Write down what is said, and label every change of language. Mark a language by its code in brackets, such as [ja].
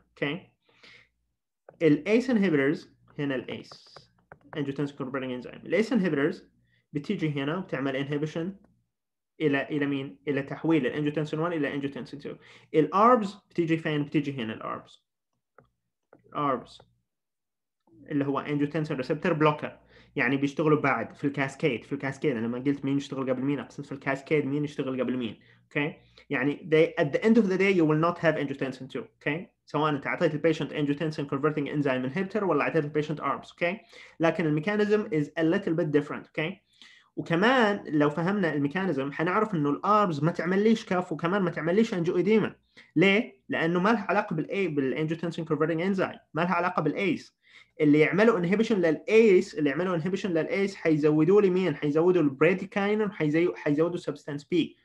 [ar] اوكي الاس inhibitors هنا الاس انجيوتنسين converting enzyme, الاس inhibitors بتيجي هنا وبتعمل inhibition الى مين؟ الى تحويل الانجيوتنسين 1 الى انجيوتنسين 2. الاربز بتيجي فين؟ بتيجي هنا الاربز اللي هو انجيوتنسين ريسبتور بلوكر, يعني بيشتغلوا بعد في الكاسكيد. انا لما قلت مين يشتغل قبل مين اقصد في الكاسكيد مين يشتغل قبل مين. [en] Okay يعني they at the end of the day you will not have angiotensin 2. [ar] اوكي سواء انت اعطيت البيشنت angiotensin converting enzyme inhibitor ولا اعطيت البيشنت arms. اوكي لكن الميكانيزم is a little bit different. اوكي وكمان لو فهمنا الميكانيزم حنعرف انه الاربز ما تعمليش كاف وكمان ما تعمليش انجيوديما. ليه؟ لانه ما لها علاقه بالاي بالانجيوتنسين كونفرتنج انزايم, ما لها علاقه بالايس. اللي يعملوا انهبيشن للايس حيزودوا لي مين؟ حيزودوا البريديكاينون, حيزودوا سبستانس بي.